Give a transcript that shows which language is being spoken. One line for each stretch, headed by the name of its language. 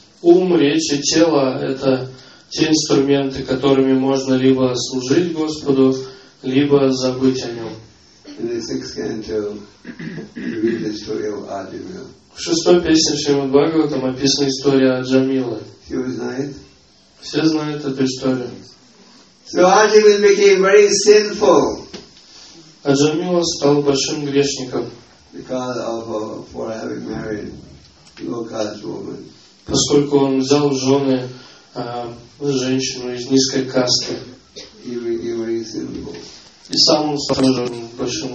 Russian: Ум, речь и тело — это те инструменты, которыми можно либо служить Господу, либо забыть о Нем.
English: In the sixth canto, you read the story of Arjuna.
Russian: В шестой песне Шримад-Бхагаватам описана история Аджамилы.
English: You know it?
Russian: Все знают эту историю.
English: So Arjuna became very sinful.
Russian: Аджамила стал большим грешником.
English: Because of for having married low-caste woman.
Russian: Поскольку он взял в жены женщину из низкой касты. И сам он стал уже большим